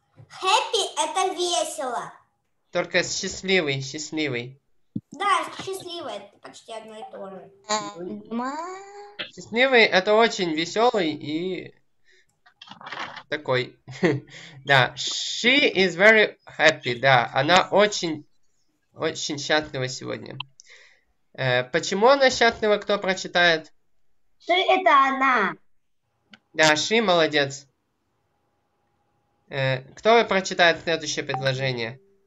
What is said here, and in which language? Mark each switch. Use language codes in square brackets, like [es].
[ru] Happy – это весело. Только счастливый, счастливый. Да, счастливый – это почти одно и то же. Счастливый – это очень веселый и такой. Да, [en] she is very happy, [ru] да. Она очень, очень счастлива сегодня. Почему она счастлива, кто прочитает? She – это она. Да, she – молодец. Кто прочитает следующее предложение?